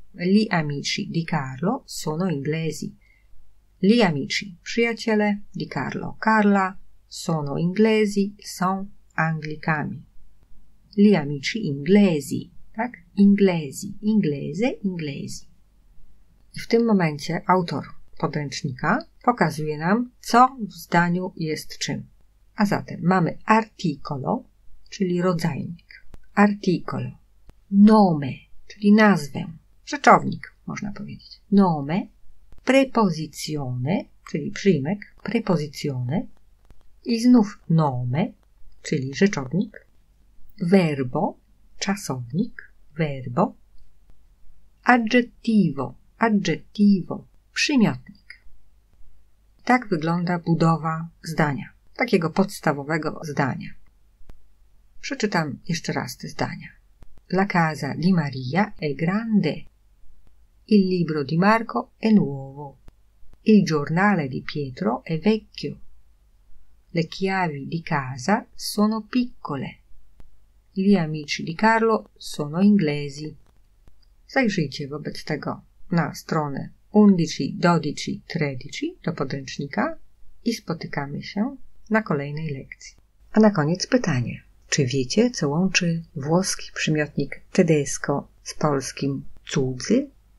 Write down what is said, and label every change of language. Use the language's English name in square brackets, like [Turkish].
[Italian] Gli amici di Carlo sono inglesi. Gli amici, przyjaciele di Carlo, Carla, sono inglesi, [Polish] są anglikami. [Italian] Gli amici inglesi, tak? Inglesi, inglese, inglesi. [Polish] W tym momencie autor podręcznika pokazuje nam, co w zdaniu jest czym. A zatem mamy articolo, czyli rodzajnik. Articolo. Nome, czyli nazwę. Rzeczownik, można powiedzieć. Nome. Prepozizione, czyli przyjmek, prepozizione. I znów nome, czyli rzeczownik. Verbo, czasownik, verbo. Aggettivo, aggettivo, przymiotnik. Tak wygląda budowa zdania, takiego podstawowego zdania. Przeczytam jeszcze raz te zdania. [Italian] La casa di Maria è grande. Il libro di Marco è nuovo. Il giornale di Pietro è vecchio. Le chiavi di casa sono piccole. Gli amici di Carlo sono inglesi. [Polish] Zajrzyjcie wobec tego na stronę 11, 12, 13 do podręcznika i spotykamy się na kolejnej lekcji. A na koniec pytanie. Czy wiecie, co łączy włoski przymiotnik tedesco z polskim cudzy?